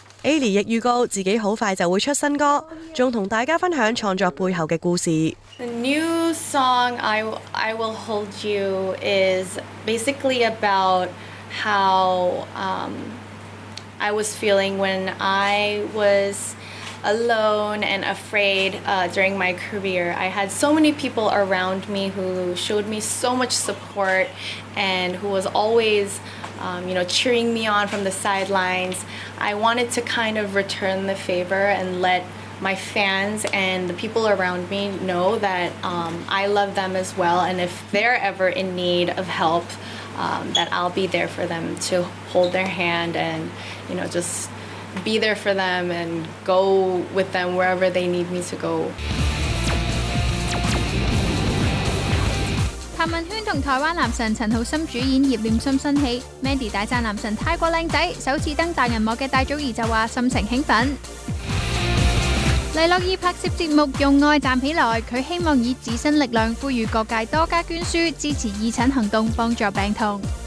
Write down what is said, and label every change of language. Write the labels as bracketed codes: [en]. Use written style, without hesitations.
[yue] Ailey 亦预告自己好快就会出新歌，仲同大家分享创作背后嘅故事。 [en] The new song I Will Hold You is basically about how I was feeling when I was alone and afraid during my career. I had so many people around me who showed me so much support and who was always cheering me on from the sidelines. I wanted to kind of return the favor and let my fans and the people around me know that I love them as well, and if they're ever in need of help, that I'll be there for them to hold their hand and just be there for them and go with them wherever they need me to go. [yue] 谭文轩同台湾男神陈浩森主演叶念心新戏 ，Mandy 大赞男神太过靓仔，首次登大银幕嘅戴祖儿就话心情兴奋。黎诺懿拍摄节目《用爱站起来》，佢希望以自身力量呼吁各界多加捐书，支持义诊行动，帮助病童。